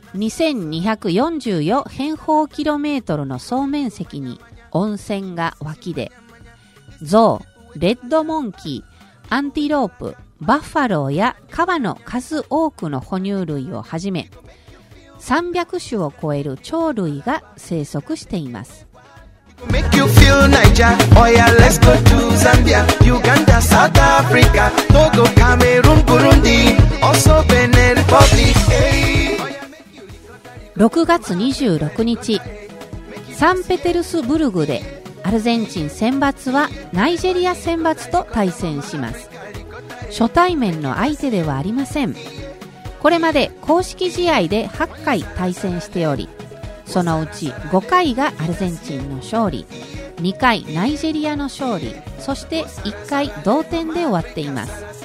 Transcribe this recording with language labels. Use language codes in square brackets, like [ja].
[ja] 2244平方キロメートルの総面積に温泉が湧き出、ゾウ、レッドモンキー、アンティロープ、バッファローやカバの数多くの哺乳類をはじめ300種を超える鳥類が生息しています。 [en] Make you feel Niger, oh yeah, let's go to Zambia, Uganda, South Africa, Togo, Cameroon, Burundi, also Benin Republic. [ja] 6月26日、サンペテルスブルグでアルゼンチン選抜はナイジェリア選抜と対戦します。初対面の相手ではありません。これまで公式試合で8回対戦しており、そのうち5回がアルゼンチンの勝利、2回ナイジェリアの勝利、そして1回同点で終わっています。